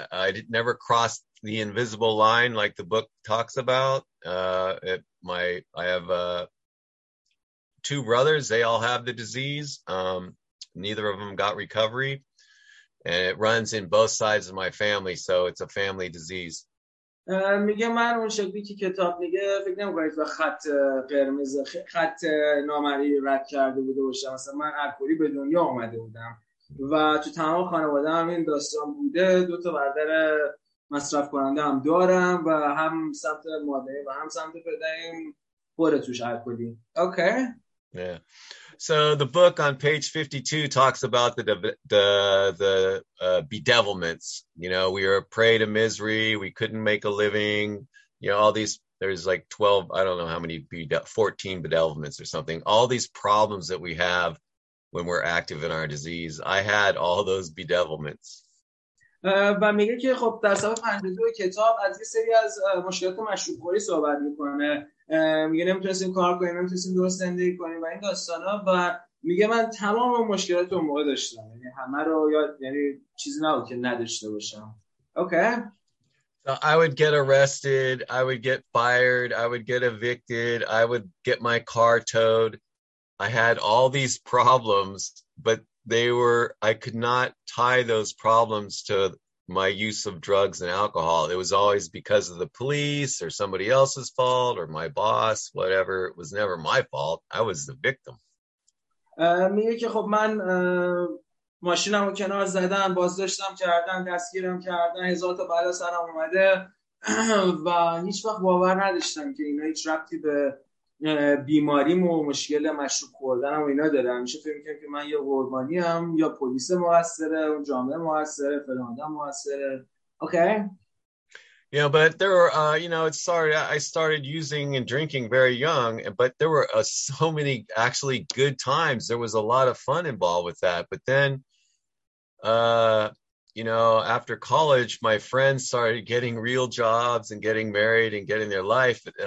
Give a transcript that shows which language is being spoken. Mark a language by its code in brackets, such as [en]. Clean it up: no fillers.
[en] I never crossed the invisible line like the book talks about. I have two brothers. They all have the disease. Neither of them got recovery, and it runs in both sides of my family, so it's a family disease. [fa] میگه من اون شکلی که کتاب میگه فکر نمیکنید به خط قرمز خط نامری رد کرده بوده باشم. مثلا من الکلی به دنیا اومده بودم و تو تمام خانواده هم این داستان بوده. دو تا برادر مصرف کننده هم دارم و هم سمت مادری و هم سمت پدریم پره توش الکلی. [en] Okay. So the book on page 52 talks about the bedevilments. You know, we are a prey to misery. We couldn't make a living. You know, all these, there's like 12, I don't know how many, 14 bedevilments or something. All these problems that we have when we're active in our disease. I had all those bedevilments. [fa] و میگه که خب در صفحه 52 کتاب از یه سری از مشکلات مشروب خوری صحبت میکنه. میگه نمیتونستیم کار کنیم، نمیتونستیم درست زندگی کنیم و این داستانا. و میگه من تمام مشکلات رو موقع داشتم، یعنی همه رو، یعنی چیزی نبود که نداشته باشم. [en] Okay. I would get arrested, I would get fired, I would get evicted, I would get my car towed. I had all these problems, but I could not tie those problems to my use of drugs and alcohol. It was always because of the police or somebody else's fault or my boss, whatever. It was never my fault. I was the victim. [fa] میگه که خب من ماشینمو کنار زدن، بازداشتم کردن، دستگیرم کردن، هزار تا بلا سرم اومده و هیچ وقت باور نداشتم که اینا هیچ ربطی به بیماریم و مشکل مشروب خوردنم و اینا داره. همیشه فکر میکنم که من یا قربانی هم یا پلیس موثره، اون جامعه موثره، فلان آدم موثره. [en] Okay. Yeah, but there were, you know, I started using and drinking very young, but there were so many actually good times. There was a lot of fun involved with that. But then, you know, after college, my friends started getting real jobs and getting married and getting their life.